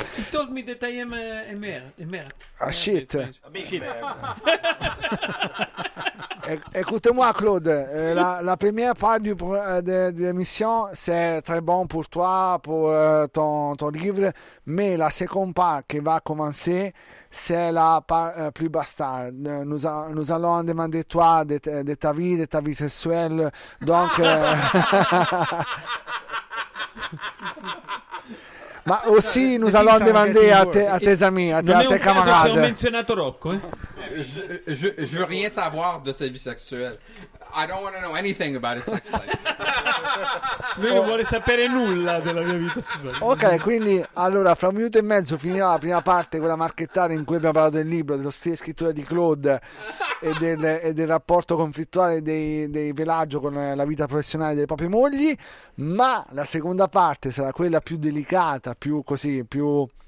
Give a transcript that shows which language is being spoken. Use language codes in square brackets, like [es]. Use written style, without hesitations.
[en] He told me that I am a merda. Ah, shit. Shit. [fr] Écoute-moi, Claude, la première part de l'émission, c'est très bon pour toi, pour ton livre, mais la seconde part qui va commencer, c'est la part plus bastard. Nous allons demander toi de ta vie, de ta vie sexuelle, donc... Ma aussi nous allons demander à tes amis, à tes non camarades. [it] Non è un caso se ho menzionato Rocco, eh? [fr] Je veux rien savoir de sa vie sexuelle. [en] I don't want to know anything about his sex life. [it] Lui non vuole sapere nulla della mia vita sessuale. Ok, quindi allora fra un minuto e mezzo finirà la prima parte, quella marchettata in cui abbiamo parlato del libro, della scrittura di Claude e del rapporto conflittuale dei Pelagio con la vita professionale delle proprie mogli, ma la seconda parte sarà quella più delicata, più così, più...